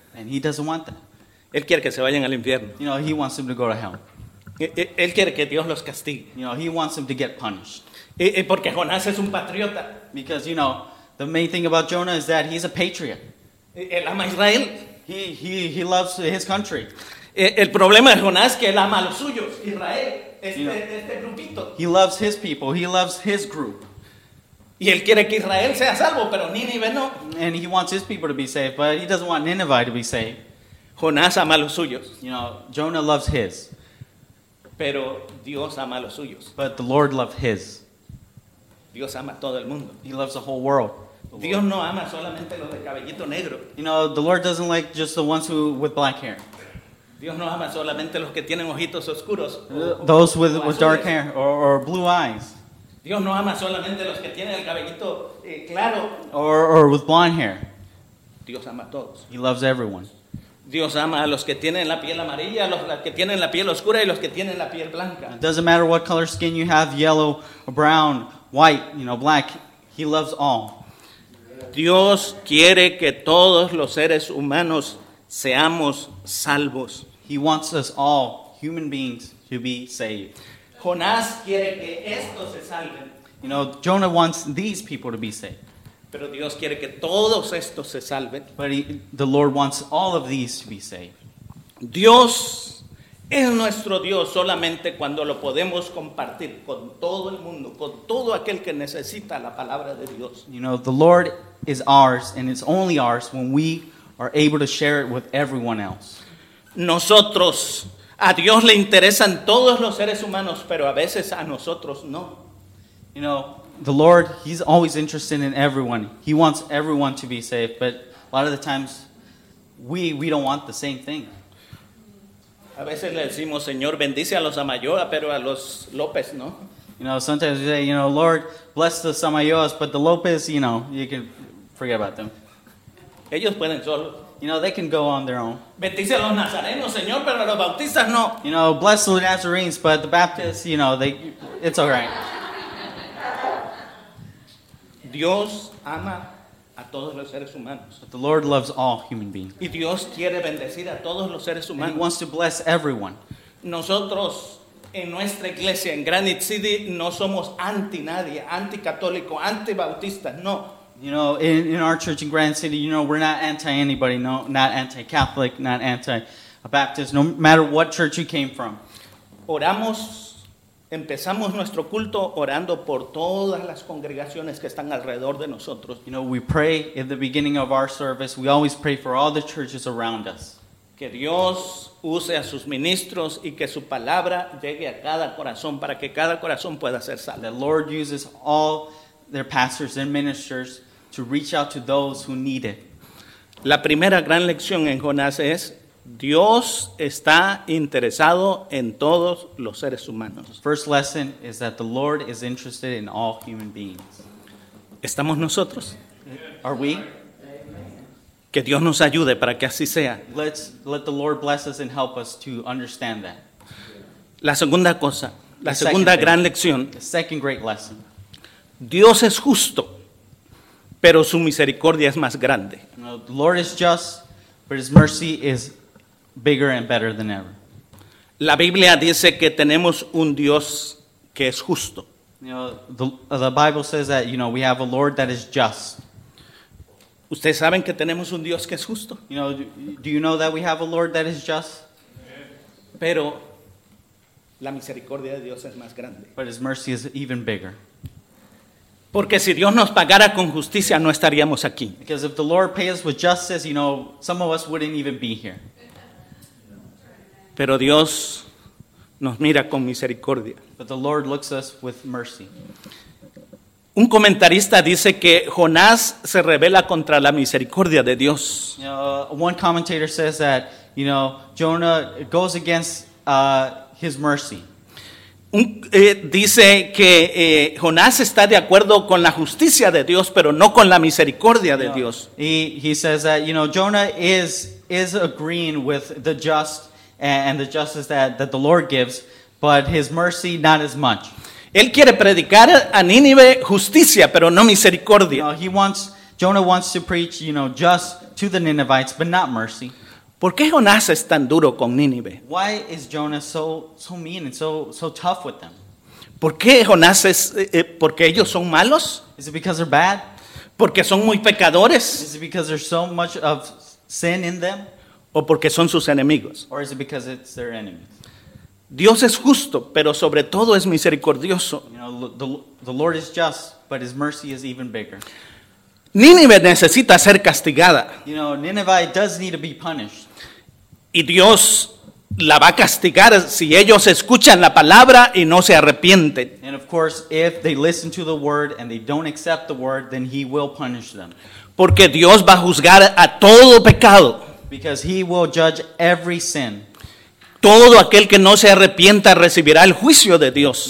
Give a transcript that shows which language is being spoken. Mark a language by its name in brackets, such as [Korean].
[English] And he doesn't want that. [Spanish] Él quiere que se vayan al infierno. [English] You know, he wants them to go to hell. [Spanish] Él quiere que Dios los castigue. [English] You know, he wants them to get punished. [Spanish] Porque Jonás es un patriota. [English] Because, you know, the main thing about Jonah is that he's a patriot. [Spanish] Él ama a Israel. [English] He loves his country. [Spanish] El problema de Jonás es que él ama a los suyos, Israel. Este grupito. [English] He loves his people. He loves his group. [Spanish] Y él quiere que Israel sea salvo, pero Nínive no. [English] And he wants his people to be saved, but he doesn't want Nineveh to be saved. [Spanish] Jonás ama a los suyos. [English] You know, Jonah loves his. [Spanish] Pero Dios ama a los suyos. [English] But the Lord loved his. [Spanish] Dios ama a todo el mundo. [English] He loves the whole world. [Spanish] Dios no ama solamente los de cabellito negro. [English] You know, the Lord doesn't like just the ones who with black hair. [Spanish] Dios no ama solamente los que tienen ojitos oscuros. [English] Those with dark hair or blue eyes. [Spanish] Dios no ama solamente los que tienen el cabellito claro. [English] Or with blonde hair. [Spanish] Dios ama a todos. [English] He loves everyone. [Spanish] Dios ama a los que tienen la piel amarilla, los que tienen la piel oscura y los que tienen la piel blanca. [English] It doesn't matter what color skin you have, yellow, brown, white, you know, black. He loves all. [Spanish] Dios quiere que todos los seres humanos seamos salvos. [English] He wants us all, human beings, to be saved. [Spanish] Jonás quiere que estos se salven. [English] You know, Jonah wants these people to be saved. [Spanish] Pero Dios quiere que todos estos se salven. [English] But the Lord wants all of these to be saved. [Spanish] Dios es nuestro Dios solamente cuando lo podemos compartir con todo el mundo, con todo aquel que necesita la palabra de Dios. [English] You know, the Lord is ours, and it's only ours when we are able to share it with everyone else. [Spanish] Nosotros, a Dios le interesan todos los seres humanos, pero a veces a nosotros no. [English] You know, the Lord, he's always interested in everyone. He wants everyone to be saved, but a lot of the times, we don't want the same thing. [Spanish] A veces le decimos, Señor, bendice a los Amayoa, pero a los López, ¿no? [English] You know, sometimes we say, you know, Lord, bless the Amayoas, but the López, you know, you can forget about them. [Spanish] Ellos pueden solo. [English] You know, they can go on their own. [Spanish] Bendice a los Nazarenos, Señor, pero a los Bautistas, no. [English] You know, bless the Nazarenes, but the Baptists, you know, they, it's all right. [Spanish] Dios ama a todos los seres humanos. [English] But the Lord loves all human beings. [Spanish] Y Dios quiere bendecir a todos los seres humanos. [English] And he wants to bless everyone. [Spanish] Nosotros en nuestra iglesia en Granite City no somos anti nadie, anti católico, anti bautista, no. [English] You know, in our church in Granite City, you know, we're not anti anybody, no, not anti Catholic, not anti Baptist, no matter what church you came from. [Spanish] Oramos, empezamos nuestro culto orando por todas las congregaciones que están alrededor de nosotros. [English] You know, we pray at the beginning of our service, we always pray for all the churches around us. [Spanish] Que Dios use a sus ministros y que su palabra llegue a cada corazón para que cada corazón pueda ser salvo. [English] The Lord uses all their pastors and ministers to reach out to those who need it. [Spanish] La primera gran lección en Jonás es Dios está interesado en todos los seres humanos. [English] First lesson is that the Lord is interested in all human beings. [Spanish] ¿Estamos nosotros? [English] Are we? [Spanish] Que Dios nos ayude para que así sea. [English] Let's let the Lord bless us and help us to understand that. [Spanish] La segunda cosa, la segunda gran lección. [English] The second great lesson. [Spanish] Dios es justo, pero su misericordia es más grande. [English] No, the Lord is just, but his mercy is bigger and better than ever. [Spanish] La Biblia dice que tenemos un Dios que es justo. [English] You know, the Bible says that, you know, we have a Lord that is just. [Spanish] ¿Ustedes saben que tenemos un Dios que es justo? [English] You know, do you know that we have a Lord that is just? [Spanish] Pero la misericordia de Dios es más grande. [English] But his mercy is even bigger. [Spanish] Porque si Dios nos pagara con justicia, no estaríamos aquí. [English] Because if the Lord pays with justice, you know, some of us wouldn't even be here. [Spanish] Pero Dios nos mira con misericordia. [English] But the Lord looks us with mercy. [Spanish] Un comentarista dice que Jonás se rebela contra la misericordia de Dios. [English] One commentator says that, you know, Jonah goes against his mercy. [Spanish] Dice que Jonás está de acuerdo con la justicia de Dios, pero no con la misericordia de Dios. [English] He says that, you know, Jonah is agreeing with the just and the justice that the Lord gives, but his mercy not as much. [Spanish] Él quiere predicar a Nínive justicia, pero no misericordia. [English] No, Jonah wants to preach, you know, just to the Ninevites, but not mercy. [Spanish] ¿Por qué Jonás es tan duro con Nínive? [English] Why is Jonah so mean and so tough with them? [Spanish] ¿Por qué Jonás es porque ellos son malos? [English] Is it because they're bad? [Spanish] ¿Porque son muy pecadores? [English] Is it because there's so much of sin in them? [Spanish] ¿O porque son sus enemigos? [English] Or is it because it's their enemies? [Spanish] Dios es justo, pero sobre todo es misericordioso. [English] You know, the Lord is just, but his mercy is even bigger. [Spanish] Nínive necesita ser castigada. [English] You know, Nineveh does need to be punished. [Spanish] Y Dios la va a castigar si ellos escuchan la palabra y no se arrepienten. [English] And of course, if they listen to the word and they don't accept the word, then he will punish them. [Spanish] Porque Dios va a juzgar a todo pecado. [English] Because he will judge every sin. [Spanish] Todo aquel que no se arrepienta recibirá el juicio de Dios.